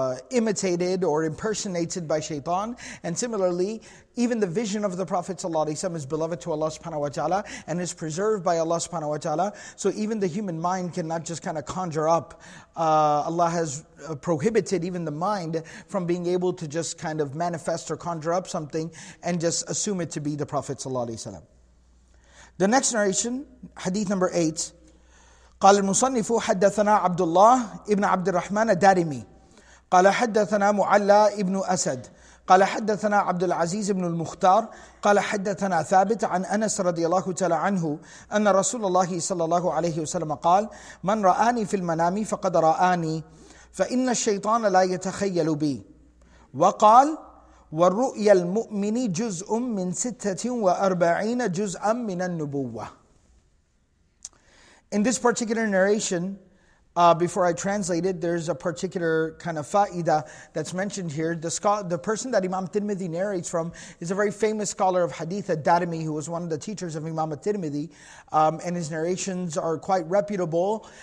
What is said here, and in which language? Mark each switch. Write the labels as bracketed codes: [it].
[en] imitated or impersonated by shaitan. And similarly, even the vision of the Prophet ﷺ is beloved to Allah subhanahu wa ta'ala and is preserved by Allah subhanahu wa ta'ala. So even the human mind cannot just kind of conjure up. Allah has prohibited even the mind from being able to just kind of manifest or conjure up something and just assume it to be the Prophet ﷺ. The next narration, hadith number 8, [ar] قال المصنف حدثنا عبد الله ابن عبد الرحمن الدارمي قال حدثنا معلى ابن أسد قال حدثنا عبد العزيز ابن المختار قال حدثنا ثابت عن أنس رضي الله تعالى عنه أن رسول الله صلى الله عليه وسلم قال من رآني في المنام فقد رآني فإن الشيطان لا يتخيل بي وقال والرؤيا المؤمن جزء من 46 جزءا من النبوة. [en] In this particular narration, before I translate it, there's a particular kind of fa'idah that's mentioned here. The person that Imam Tirmidhi narrates from is a very famous scholar of hadith, Ad-Darimi, who was one of the teachers of Imam Tirmidhi, and his narrations are quite reputable.